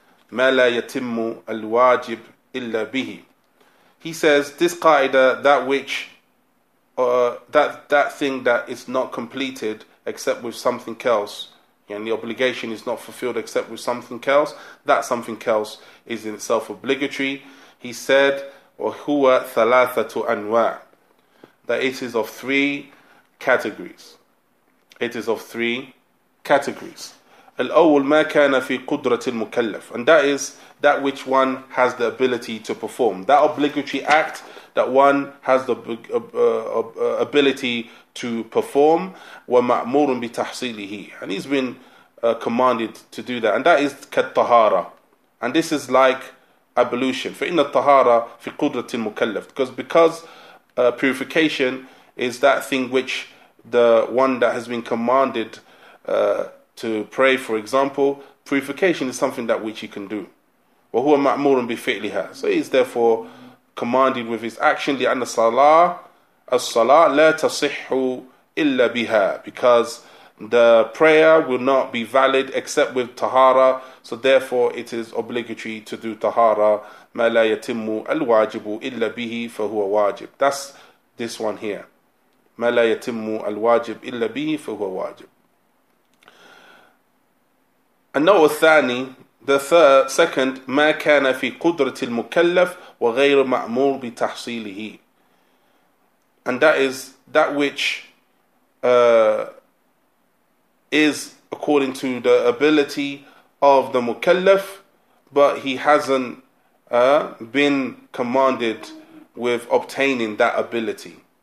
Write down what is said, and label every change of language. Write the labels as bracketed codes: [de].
[ar] مَا لَا يَتِمُّ الْوَاجِبْ إِلَّا بِهِ. [en] He says, this qaida, that which, that thing that is not completed except with something else, and the obligation is not fulfilled except with something else, that something else is in itself obligatory. He said, [ar] وَهُوَ ثَلَاثَةُ أَنْوَاعٍ. [en] That it is of three categories. It is of three categories. [ar] الأول ما كان في قدرة المكلف. [en] And that is that which one has the ability to perform. That obligatory act that one has the ability to perform. [ar] ومأمور بتحصيله. [en] And he's been commanded to do that. And that is كالطهارة. And this is like ablution. [ar] فإن الطهارة في قدرة المكلف. [en] Because purification is that thing which the one that has been commanded to pray, for example, purification is something that which he can do. [ar] وَهُوَ مَعْمُورٌ بِفِعْلِهَا. [en] So he is therefore commanded with his action. [ar] لِأَنَّ الصَّلَاةَ لَا تَصِحُّ إِلَّا بِهَا. [en] Because the prayer will not be valid except with tahara. So therefore it is obligatory to do tahara. [ar] مَا لَا يَتِمُّ الْوَاجِبُ إِلَّا بِهِ فَهُوَ وَاجِبُ. [en] That's this one here. [ar] مَا لَا يَتِمُّ الْوَاجِبْ إِلَّا بِهِ فَهُوَ وَاجِبْ. النَّوْءُ الثَّانِي, [en] the third, second, [ar] مَا كَانَ فِي قُدْرَةِ الْمُكَلَّفِ وَغَيْرُ مَأْمُورٍ بِتَحْصِيلِهِ. [en] And that is that which is according to the ability of the mukallaf, but he hasn't been commanded with obtaining that ability.